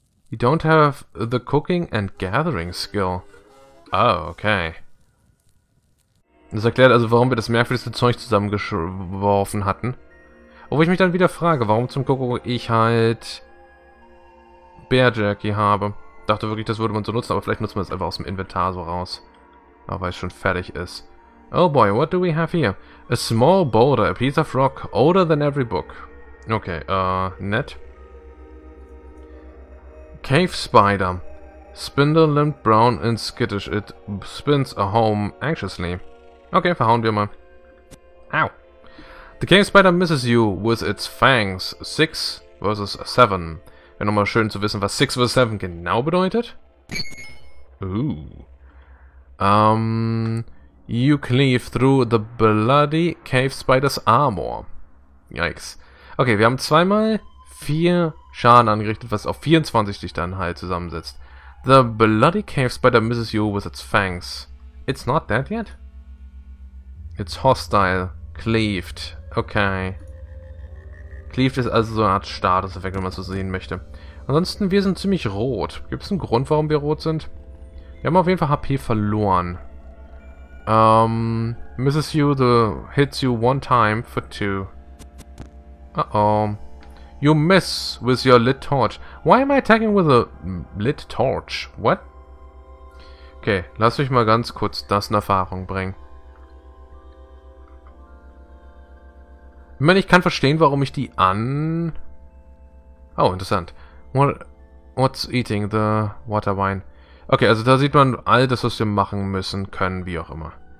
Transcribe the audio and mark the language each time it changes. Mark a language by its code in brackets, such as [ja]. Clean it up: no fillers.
[en] You don't have the cooking and gathering skill. Oh, okay. [de] Das erklärt also, warum wir das merkwürdigste Zeug zusammengeworfen hatten. Obwohl ich mich dann wieder frage, warum zum Kuckuck ich halt Bear Jerky habe. Dachte wirklich, das würde man so nutzen, aber vielleicht nutzt man es einfach aus dem Inventar so raus. Aber weil es schon fertig ist. [en] Oh boy, what do we have here? A small boulder, a piece of rock, older than every book. [de] Okay, nett. [en] Cave spider. Spindle-limbed, brown and skittish. It spins a home anxiously. Okay, [de] verhauen wir mal. [en] Ow. The cave spider misses you with its fangs. [de] 6 vs. 7. Wäre nochmal schön zu wissen, was 6 vs. 7 genau bedeutet. Ooh. [en] You cleave through the bloody cave spider's armor. Yikes. [de] Okay, wir haben 2x4 Schaden angerichtet, was auf 24 dich dann halt zusammensetzt. [en] The bloody cave spider misses you with its fangs. It's not dead yet? It's hostile. Cleaved. Okay. [de] Cleaved ist also so eine Art Statuseffekt, wenn man so sehen möchte. Ansonsten, wir sind ziemlich rot. Gibt es einen Grund, warum wir rot sind? Wir haben auf jeden Fall HP verloren. [en] Misses you, the hits you one time for 2. Uh-oh. You miss with your lit torch. Why am I attacking with a lit torch? What? [de] Okay, lass mich mal ganz kurz das in Erfahrung bringen. Ich meine, ich kann verstehen, warum ich die an... Oh, interessant. [en] What's eating the water wine? [de] Okay, also da sieht man all das, was wir machen müssen, können, wie auch immer.